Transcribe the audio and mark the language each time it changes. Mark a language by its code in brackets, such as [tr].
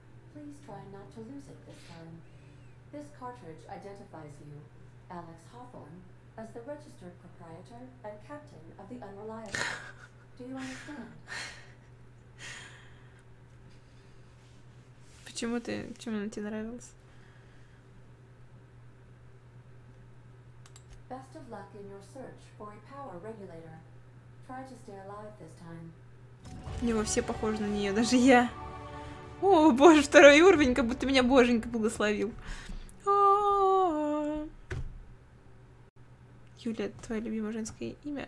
[en] Please try not to lose it this time. This cartridge identifies you, Alex Hawthorne, as the registered proprietor and captain of the Unreliable. Do you understand? [ru] Почему она тебе нравилась? [en] Best of luck in your search for a power regulator. Try to stay alive this time. [ru] У него все похожи на нее, даже я. О, боже, второй уровень, как будто меня боженька благословил. Юлия, твое любимое женское имя?